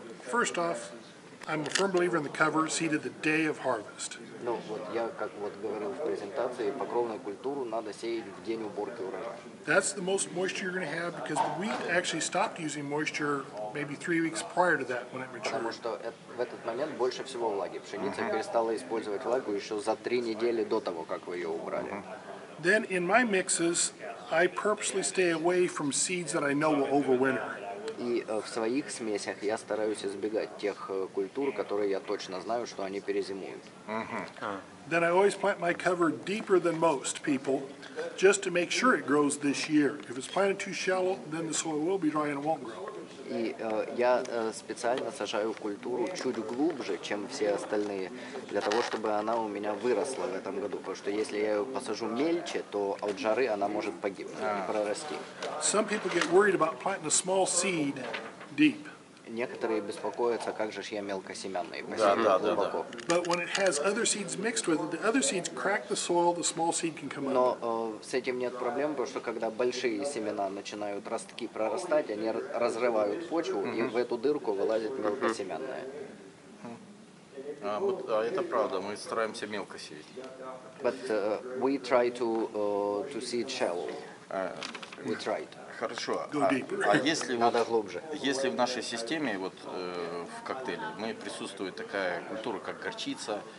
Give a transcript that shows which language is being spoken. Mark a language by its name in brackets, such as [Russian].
[English] First off, I'm a firm believer in the cover seed of the day of harvest. [Russian] Ну, вот я, как вот говорил в презентации, покровную культуру надо сеять в день уборки урожая. [English] That's the most moisture you're going to have because the wheat actually stopped using moisture maybe 3 weeks prior to that when it matured. [Russian] Потому что в этот момент больше всего влаги. Пшеница перестала использовать влагу еще за 3 недели до того, как вы ее убрали. [English] Then in my mixes, I purposely stay away from seeds that I know will overwinter. [Russian] И в своих смесях я стараюсь избегать тех культур, которые я точно знаю, что они перезимуют. [English] Then I always plant my cover deeper than most people, just to make sure it grows this year. If it's planted too shallow, then the soil will be dry and it won't grow. [Russian] И я специально сажаю культуру чуть глубже, чем все остальные, для того, чтобы она у меня выросла в этом году. Потому что если я ее посажу мельче, то от жары она может погибнуть, не прорасти. [English] Some people get worried about planting a small seed deep. [Russian] Некоторые беспокоятся, как же я мелкосемянные посеял глубоко. [English] But when it has other seeds mixed with it, the other seeds crack the soil, the small seed can come up. [Russian] Но с этим нет проблем, потому что когда большие семена начинают ростки прорастать, они разрывают почву, и в эту дырку вылазит мелкосемянное. А это правда, мы стараемся мелко сеять. [English] But we try to seed shallow. We tried. [Russian] Хорошо. А если надо вот, глубже. Если в нашей системе вот в коктейле мы присутствует такая культура, как горчица,